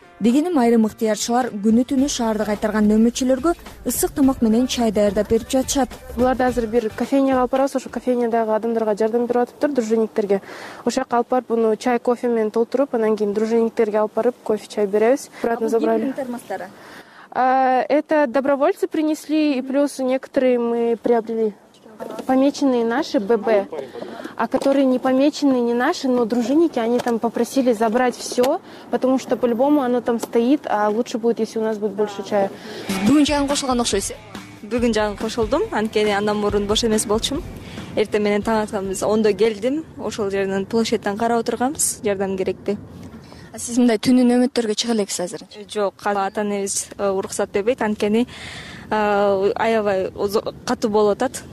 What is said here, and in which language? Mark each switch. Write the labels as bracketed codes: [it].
[ky] Дегеним айрым ыктыярчылар күнү түнү шаарды кайтарган нөмөтчүлөргө ысык тамак менен чай даярдап берип жатышат. Буларды азыр бир кофейняга алып барабыз, ошол кофейнядагы адамдарга жардам берип атыптыр, дружинниктерге. Ошол жака алып барып муну чай кофе менен толтуруп, анан кийин дружинниктерге алып барып кофе чай беребиз. [ru] Обратно забрали. Термостары. Это добровольцы принесли, и плюс некоторые мы приобрели. Помеченные наши ББ, а которые не помечены, не наши, но дружинники, они там попросили забрать все, потому что по-любому оно там стоит, а лучше будет, если у нас будет больше чая. [ky] Бүгүн жаңы кошулган окшойсуз. Бүгүн жаңы кошулдум, анткени андан мурун бош эмес болчум. Эртең менен таң аткан биз 10-до келдим, ошол жерден площадтан карап отурганбыз, жардам керекти. Сиз мындай түнү нөмөттөргө чыга элексиз азыр? Жок, ата энебиз уруксат бербейт, анткени аябай катуу болуп атат.